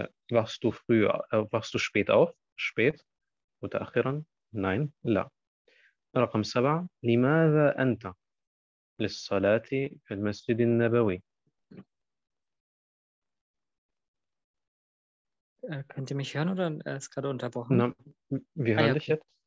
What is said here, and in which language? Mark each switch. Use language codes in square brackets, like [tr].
[de] Wachst du früh wachst du spät auf spät [ar] متأخرا؟ نعم لا. رقم سبعة لماذا أنت للصلاة في المسجد النبوي؟ [de] كنت mich hören oder ist gerade unterbrochen؟ نعم wir hören dich jetzt.